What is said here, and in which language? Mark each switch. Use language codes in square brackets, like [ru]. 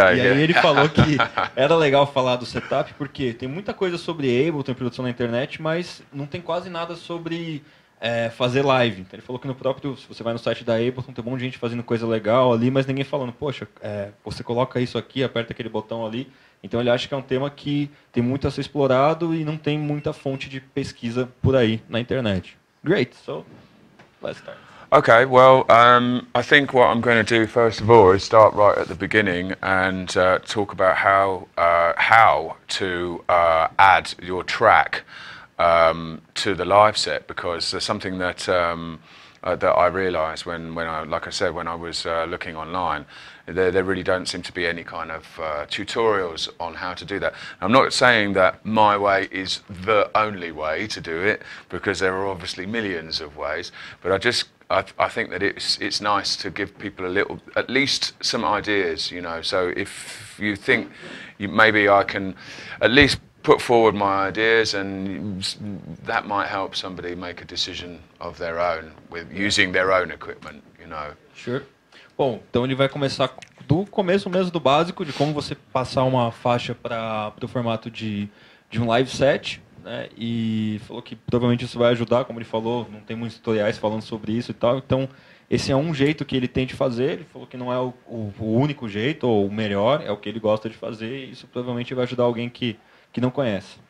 [pt] E aí ele falou que era legal falar do setup, porque tem muita coisa sobre Ableton, produção na internet, mas não tem quase nada sobre fazer live. Então ele falou que no próprio, se você vai no site da Ableton, tem um monte de gente fazendo coisa legal ali, mas ninguém falando, poxa, você coloca isso aqui, aperta aquele botão ali. Então ele acha que é um tema que tem muito a ser explorado e não tem muita fonte de pesquisa por aí na internet. [en] Great, so... Okay, well, I think what I'm going to do first of all is start right at the beginning and talk about how to add your track to the live set, because there's something that that I realized when I was looking online, there really don't seem to be any kind of tutorials on how to do that. I'm not saying that my way is the only way to do it, because there are obviously millions of ways, but I think that it's nice to give people at least some ideas, you know. So if you think maybe I can at least put forward my ideas, and that might help somebody make a decision of their own with using their own equipment, you know. Sure. [pt] Bom, então ele vai começar do começo mesmo, do básico, de como você passar uma faixa para o formato de um live set, né? E falou que provavelmente isso vai ajudar, como ele falou, não tem muitos tutoriais falando sobre isso e tal. Então, esse é um jeito que ele tem de fazer. Ele falou que não é o único jeito, ou o melhor, é o que ele gosta de fazer, e isso provavelmente vai ajudar alguém que não conhece.